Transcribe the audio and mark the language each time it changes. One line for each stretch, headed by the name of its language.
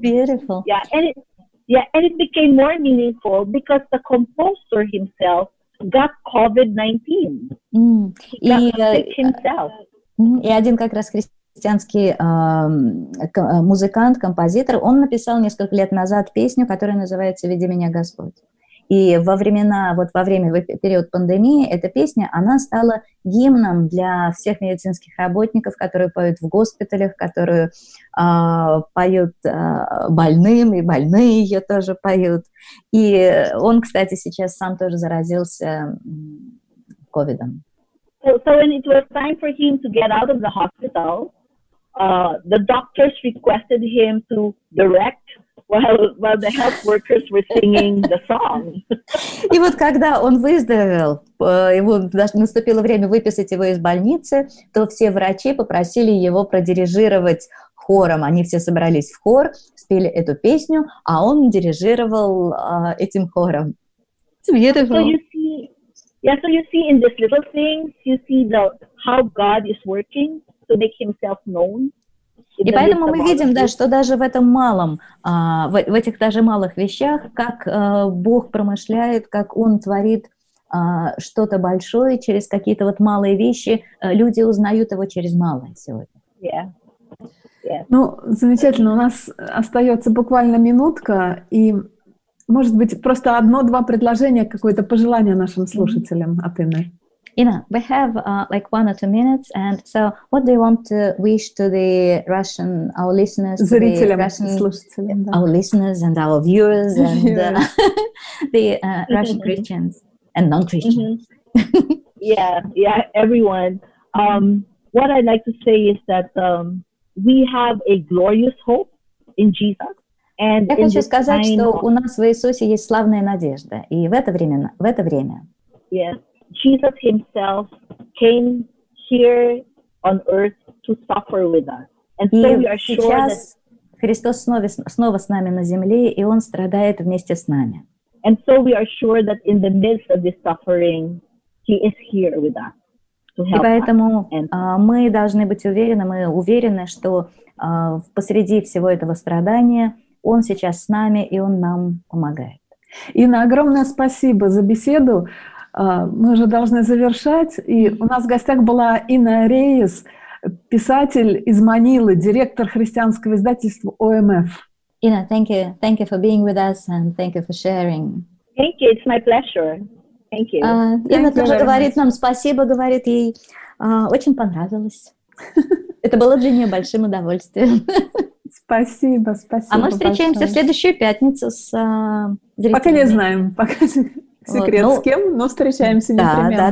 English: It's beautiful. And it became more meaningful because the composer himself got COVID-19.
Russian: И один как раз христианский музыкант, композитор, он написал несколько лет назад песню, которая называется «Веди меня, Господь». И во времена, вот во время, в период пандемии, эта песня, она стала гимном для всех медицинских работников, которые поют в госпиталях, которые поют больным, и больные ее тоже поют. И он, кстати, сейчас сам тоже заразился ковидом.
English: So when it was time for him to get out of the hospital, the doctors requested him to direct while the health workers were singing the song.
Russian: И вот когда он выздоровел, ему наступило время выписать его из больницы, то все врачи попросили его продирижировать хором. Они все собрались в хор, спели эту песню, а он дирижировал этим хором.
English: Beautiful. Yeah, so you see in these little things, you see the how God is working to make himself known.
Russian: И поэтому мы видим, да, что даже в этом малом, в этих даже малых вещах, как Бог промышляет, как Он творит что-то большое через какие-то вот малые вещи, люди узнают Его через малое сегодня.
English: Yeah. Yeah.
Russian: Ну, замечательно, у нас остается буквально минутка, и... Может быть, просто одно-два предложения, какое-то пожелание нашим слушателям от Инны.
English: Инна, we have like 1 or 2 minutes, and so what do you want to wish to the Russian, our listeners,
Russian: зрителям, Russian, слушателям, да.
English: Our listeners and our viewers and the Russian Christians and non-Christians? Mm-hmm. Yeah, everyone. What I'd like to say is that we have a glorious hope in Jesus.
Russian: Я хочу сказать, что у нас в Иисусе есть славная надежда, и в это время.
English: Yes, Jesus Himself came here on earth to suffer with us, and so we are sure that.
Russian: И сейчас Христос снова с нами на земле, и Он страдает вместе с нами.
English: And so we are sure that in the midst of this suffering, He is here with us.
Russian: И поэтому мы должны быть уверены, мы уверены, что посреди всего этого страдания Он сейчас с нами, и Он нам помогает. Инна, огромное спасибо за беседу. Мы уже должны завершать. И у нас в гостях была Инна Рейс, писатель из Манилы, директор христианского издательства ОМФ.
English: Инна, thank you for being with us, and thank you for sharing. Thank you, it's my pleasure. Thank you.
Russian: Инна тоже говорит нам спасибо, говорит ей. Очень понравилось. Это было для нее большим удовольствием. Спасибо, спасибо. А мы встречаемся большое. В следующую пятницу с зрителями. Пока не знаем, пока секрет с кем, но встречаемся непременно.